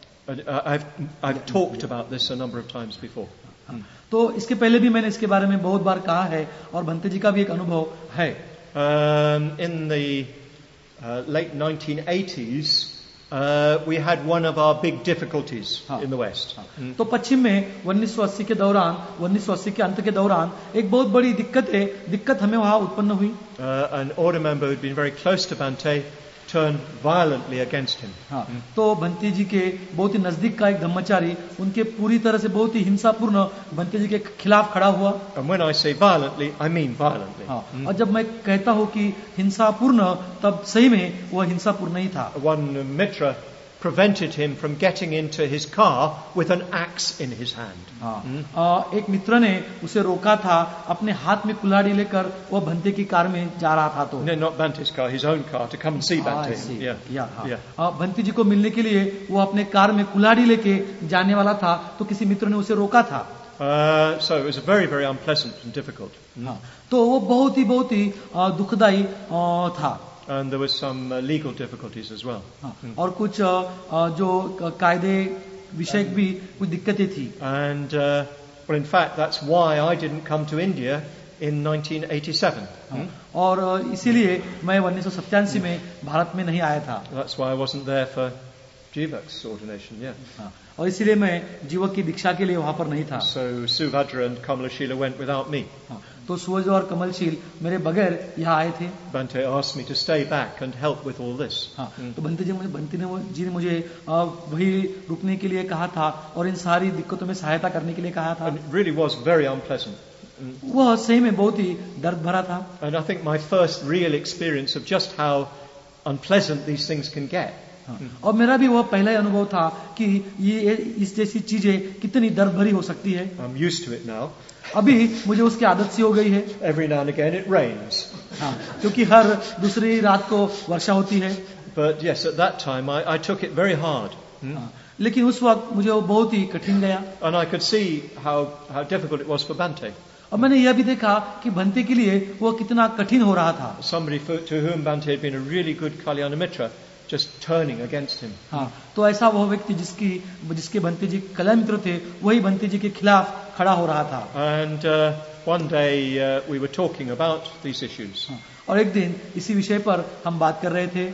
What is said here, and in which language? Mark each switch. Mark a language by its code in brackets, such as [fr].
[en] I've talked about this a number of times before. [hi] तो इसके पहले भी मैंने इसके बारे में बहुत बार कहा है और भंते जी का भी एक अनुभव है. [en] In the late 1980s, we had one of our big difficulties in the West. [hi] तो पश्चिम में 1980 के दौरान 1980 के अंत के दौरान एक बहुत बड़ी दिक्कत हमें वहाँ उत्पन्न हुई. [en] An order member who'd been very close to Bhante turned violently against him. [hi] तो बंती जी के बहुत ही नजदीक का एक ब्रह्मचारी उनके पूरी तरह से बहुत ही हिंसापूर्ण बंती जी के खिलाफ खड़ा हुआ. [en] And when I say violently, I mean violently. [hi] और जब मैं कहता हूँ कि हिंसापूर्ण, तब सही में वह हिंसापूर्ण ही था. [en] One mitra prevented him from getting into his car with an axe in his hand. [hi] एक मित्र ने उसे रोका था, अपने हाथ में कुल्हाड़ी लेकर वो भंते की कार में जा रहा था. तो [en] not Bhante's car, his own car, to come and see Bhante. [hi] Bhante जी को मिलने के लिए वो अपने कार में कुल्हाड़ी लेके जाने वाला था, तो किसी मित्र ने उसे रोका था. [en] So it was very, very unpleasant and difficult. [hi] तो वो बहुत ही दुखदायी था. [en] And there was some legal difficulties as well. [hi] और कुछ जो कायदे विषय भी कुछ दिक्कतें थी. [en] And but in fact, that's why I didn't come to India in 1987. [hi] और इसीलिए मैं 1987 में भारत में नहीं आया था. [en] That's why I wasn't there for Jivak's ordination. Yeah. [hi] और इसीलिए मैं जीवक की दीक्षा के लिए वहाँ पर नहीं था. [en] So Suvhadra and Kamalashila went without me. [hi] तो सूरज और कमलशील मेरे बगैर यहाँ आए थे. [en] Bhante asked me to stay back and help with all this. [hi] तो बंते जी ने मुझे वही रुकने के लिए कहा था और इन सारी दिक्कतों में सहायता करने के लिए कहा था. [en] And it really was very unpleasant. [hi] वह सही में बहुत ही दर्द भरा था. [en] And I think my first real experience of just how unpleasant these things can get. [hi] और मेरा भी वह पहला ही अनुभव था कि ये इस जैसी चीजें कितनी दर्द भरी हो सकती है. [en] I'm used to it now. [hi] अभी मुझे उसकी आदत सी हो गई है. [en] Every now and again it rains. [hi] क्योंकि हर दूसरी रात को वर्षा होती है. [en] But yes, at that time I took it very hard. [hi] लेकिन उस वक्त मुझे वो बहुत ही कठिन गया. [en] And I could see how difficult it was for Bhante. [hi] और मैंने यह भी देखा कि भंते के लिए वो कितना कठिन हो रहा था. [en] Somebody to whom Bhante had been a really good Kalyana Mitra. Just turning against him. [hi] तो ऐसा वह व्यक्ति जिसके भंते जी कल्याण मित्र थे, वही भंते जी के खिलाफ खड़ा हो रहा था. [en] And one day we were talking about these issues. [hi] और एक दिन इसी विषय पर हम बात कर रहे थे.